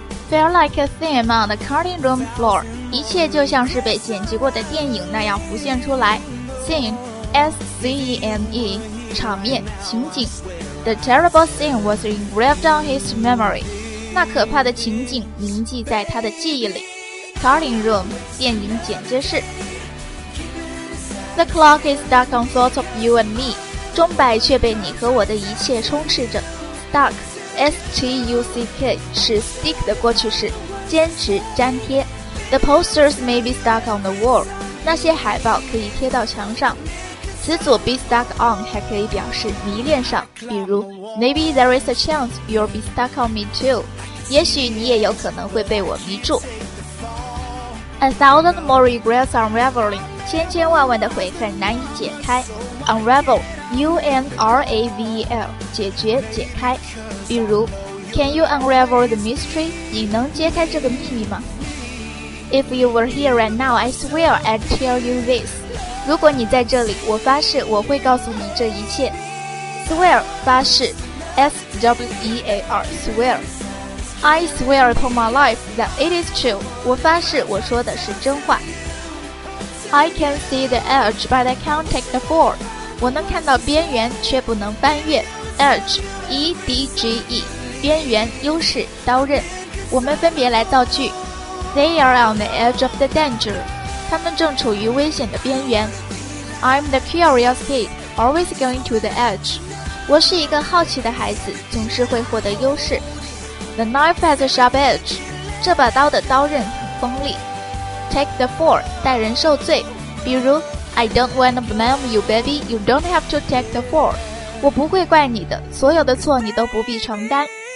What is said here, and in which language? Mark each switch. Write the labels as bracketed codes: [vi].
[en] Feel like a theme on the cutting room floor. [zh] 一切就像是被剪辑过的电影那样浮现出来。 [en] Scene, S-C-E-M-E, [zh] 场面、情景。 [en] The terrible scene was engraved on his memory. [zh] 那可怕的情景铭记在他的记忆里。 Cutting room, 电影剪接室。 [en] The clock is stuck on thoughts of you and me. [zh] 钟摆却被你和我的一切充斥着。 Stuck, S-T-U-C-K, 是 stick 的过去式，坚持、粘贴。 [en] The posters may be stuck on the wall. [zh] 那些海报可以贴到墙上。 [en] 词组 be stuck on [zh] 还可以表示迷恋上，比如 [en] Maybe there is a chance you'll be stuck on me too. [zh] 也许你也有可能会被我迷住。 [en] A thousand more regrets unraveling. [zh] 千千万万的悔恨难以解开。 [en] Unravel, U-N-R-A-V-E-L, [zh] 解决、解开。比如 [en] Can you unravel the mystery? [zh] 你能揭开这个秘密吗？ [en] If you were here right now, I swear I'd tell you this. [zh] 如果你在这里，我发誓我会告诉你这一切。 [en] Swear, [zh] 发誓。 [en] S-W-E-A-R, swear. I swear upon my life that it is true. [zh] 我发誓我说的是真话。 [en] I can see the edge, but I can't take the fall. [zh] 我能看到边缘，却不能翻越。 [en] Edge, E-D-G-E, [zh] 边缘、优势、刀刃。我们分别来造句。 [en] They are on the edge of the danger. [zh] 他们正处于危险的边缘。 [en] I'm the curious kid, always going to the edge. [zh] 我是一个好奇的孩子，总是会获得优势。 [en] The knife has a sharp edge. [zh] 这把刀的刀刃很锋利。 [en] Take the fall, [zh] 代人受罪。比如 [en] I don't wanna blame you, baby. You don't have to take the fall. [zh] 我不会怪你的，所有的错你都不必承担。